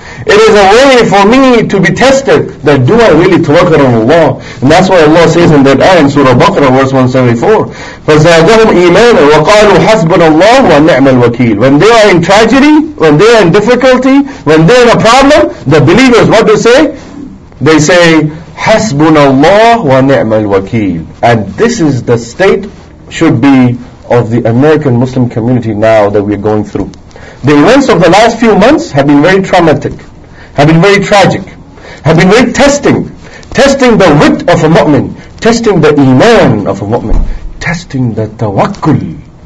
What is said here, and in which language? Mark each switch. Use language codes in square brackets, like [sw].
[en] It is a way for me to be tested, that do I really tawakkal on Allah? And that's why Allah says in that ayah in Surah Baqarah, verse 174, [ar] فَزَادَهُمْ إِيمَانًا وَقَالُوا حَسْبُنَ اللَّهُ وَنِعْمَ الْوَكِيلُ. [en] When they are in tragedy, when they are in difficulty, when they are in a problem, the believers, what do they say? They say, [ar] حَسْبُنَ اللَّهُ وَنِعْمَ الْوَكِيلُ. [en] And this is the state, should be, of the American Muslim community now that we are going through. The events of the last few months have been very traumatic, have been very tragic, have been very testing. Testing the wit of a mu'min, testing the iman of a mu'min, testing the tawakkul.